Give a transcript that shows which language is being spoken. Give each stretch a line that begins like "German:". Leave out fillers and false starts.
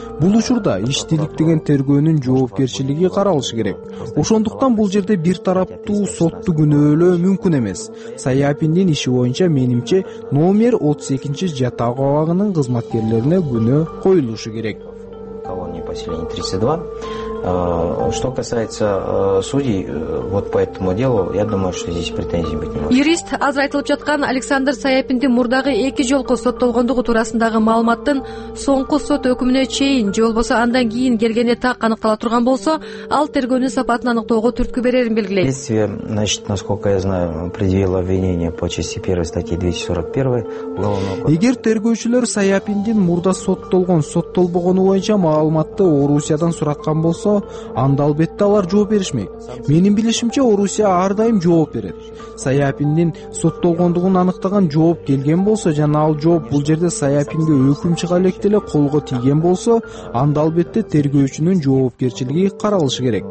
Kyrgyz: Бул учурда иштилик деген тергөөнүн жоопкерчилиги каралышы керек. Ошондуктан бул жерде бир тараптуу сотту күнөөлөө мүмкүн эмес. Саяпиндин иши боюнча менимче номер 32-чи жатаа кабагынын кызматкерлерине күнөө коюлушу керек.
Russian: Колония поселения 32. Что касается судей вот по этому делу, я думаю, что здесь претензий быть не может.
Kyrgyz: Юрист азыр айтылып жаткан Александр Саяпиндин мурдагы 2 жолку соттолгондугу туурасындагы маалыматтын соңку сот өкүмүнө чейин же болбосо андан кийин келгени так аныктала турган болсо, ал тергөөнүн сапатын аныктоого түрткү берерин белгилейт.
Russian: Следствие, значит, насколько я знаю, предъявило обвинение по части 1 статьи 241.
Kyrgyz: Эгер тергөөчүлөр Саяпиндин мурда соттолгон, соттолбогону боюнча маалыматты Орусиядан сураткан болсо, анда албетте алар жооп беришмейт. Менин билишимче Орусия ар дайым жооп берет. Саяпиндин соттолгондугун аныктаган жооп келген болсо жана ал жооп бул жерде Саяпинге өкүм чыга электе эле колго тийген болсо, анда албетте тергөөчүнүн жоопкерчилиги каралышы керек.